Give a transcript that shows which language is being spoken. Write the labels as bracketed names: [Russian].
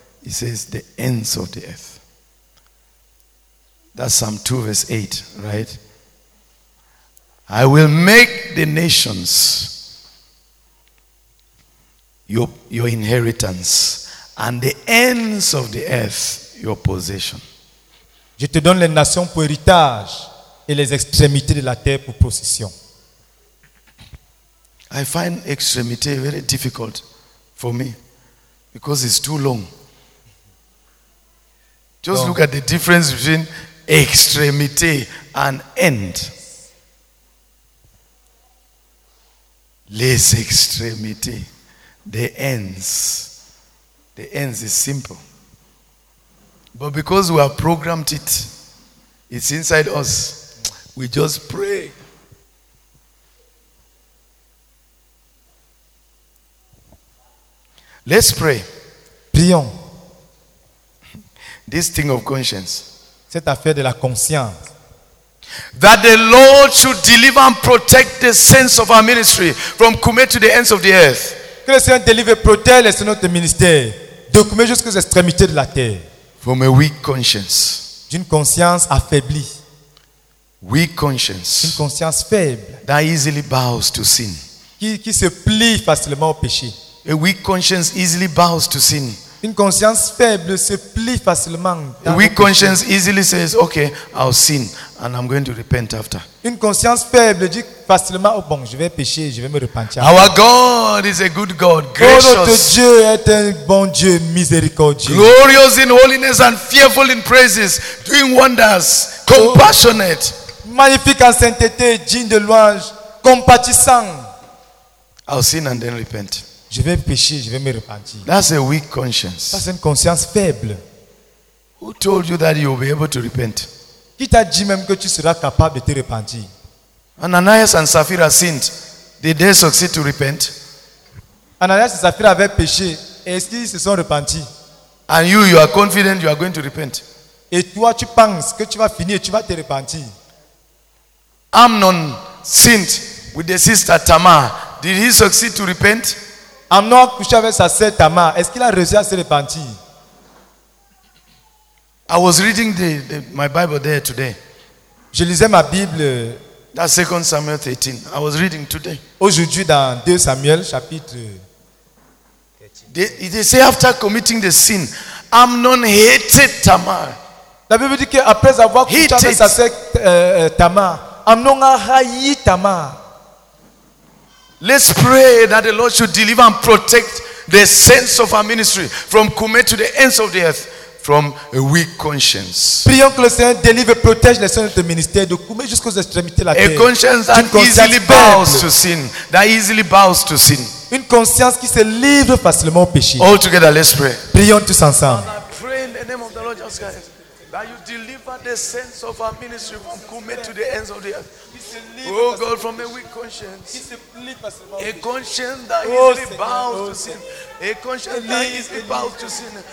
[English] It says the ends of the earth. That's Psalm 2 verse 8, right? I will make the nations your inheritance and the ends of the earth your possession. [French] Je te donne les nations pour héritage et les extrémités de la terre pour possession. [English] I find extremity very difficult for me because it's too long. Just look at the difference between extremity and end. [French] Les extrémités, [English] the ends. The ends is simple. But because we have programmed it, it's inside us. We just pray. Let's pray. [French] Prions. [English] This thing of conscience. [French] Cette affaire de la conscience. [English] That the Lord should deliver and protect the saints of our ministry from Koumé to the ends of the earth. [French] Que le Seigneur délivre et protège les saints de notre ministère de Koumé jusqu'aux extrémités de la terre. [English] From a weak conscience. [French] D'une conscience affaiblie. [English] Weak conscience. [French] Une conscience faible. [English] That easily bows to sin. [French] Qui se plie facilement au péché. [English] A weak conscience easily bows to sin. [French] Une conscience faible se plie facilement. [English] A weak conscience easily says, okay, I'll sin and I'm going to repent after. [French] Une conscience faible dit facilement, oh bon, je vais pécher, je vais me repentir. [English] Our God is a good God, gracious. [French] Oh, notre Dieu est un bon Dieu, miséricordieux. [English] Glorious in holiness and fearful in praises, doing wonders, compassionate. [French] Magnifique en sainteté, digne de louange, compatissant. [English] I'll sin and then repent. [French] Je vais pécher, je vais me repentir. [English] That's a weak conscience. [French] C'est une conscience faible. [English] Who told you that you'll be able to repent? [French] Qui t'a dit même que tu seras capable de te repentir? [English] Ananias and Sapphira sinned. Did they succeed to repent? [French] Ananias et Sapphira avaient péché. Est-ce qu'ils se sont repentis? [English] And you are confident you are going to repent. [French] Et toi, tu penses que tu vas finir et tu vas te repentir? [English] Amnon sinned with the sister Tamar. Did he succeed to repent? [French] Amnon a couché avec sa sœur Tamar. Est-ce qu'il a réussi à se repentir? [English] I was reading my Bible there today. [French] Je lisais ma Bible. [English] That's 2 Samuel 13. I was reading today. [French] Aujourd'hui dans 2 Samuel chapitre 13. [English] They say after committing the sin, Amnon hated Tamar. [French] La Bible dit qu'après avoir couché avec sa sœur Tamar, Amnon a haï Tamar. [English] Let's pray that the Lord should deliver and protect the saints of our ministry from coming to the ends of the earth from a weak conscience. [French] Prions que le Seigneur délivre et protège les saints de notre ministère de coumer jusqu'aux extrémités de la terre. [English] A conscience that easily bows to sin. That easily bows to sin. [French] Une conscience qui se livre facilement au péché. [English] All together, let's pray. [French] Prions tous ensemble. [English] Father, I pray in the name of the Lord Jesus Christ that you deliver the saints of our ministry from coumer to the ends of the earth. Oh God, from a weak conscience, a conscience that easily bows to sin, a conscience that easily bows to sin.